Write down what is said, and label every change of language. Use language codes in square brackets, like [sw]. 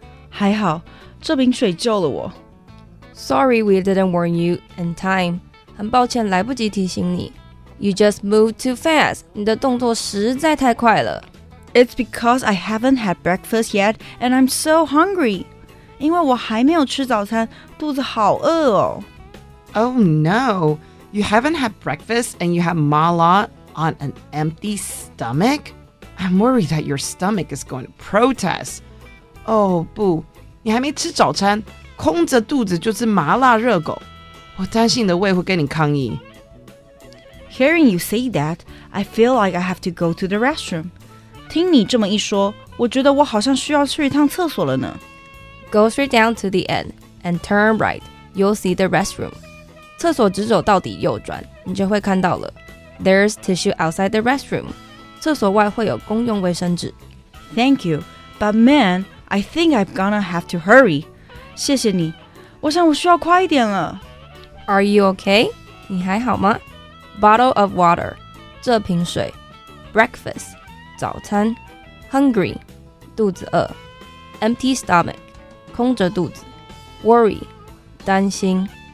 [zh] 还好，这瓶水救了我。 [en] Sorry we didn't warn you in time. [zh] 很抱歉来不及提醒你。 [en] You just moved too fast. [zh] 你的动作实在太快了。 [en] It's because I haven't had breakfast yet and I'm so hungry. [zh] 因为我还没有吃早餐，肚子好饿哦。 [en] Oh no, you haven't had breakfast and you have mala on an empty stomach? I'm worried that your stomach is going to protest. [zh] Oh, 不，你还没吃早餐，空着肚子就是麻辣热狗。我担心你的胃会跟你抗议。 [en] Hearing you say that, I feel like I have to go to the restroom. [zh] 听你这么一说，我觉得我好像需要去一趟厕所了呢。 [en] Go straight down to the end and turn right. You'll see the restroom. [zh] 厕所直走到底右转，你就会看到了。 [en] There's tissue outside the restroom. [zh] 厕所外会有公用卫生纸。 [en] Thank you, but man, I think I'm gonna have to hurry. [zh] 谢谢你，我想我需要快一点了。 [en] Are you okay? [zh] 你还好吗? [en] Bottle of water, [zh] 这瓶水。 [en] Breakfast, 早餐。Hungry, 肚子饿。 Empty stomach, 空着肚子。Worry, 担心。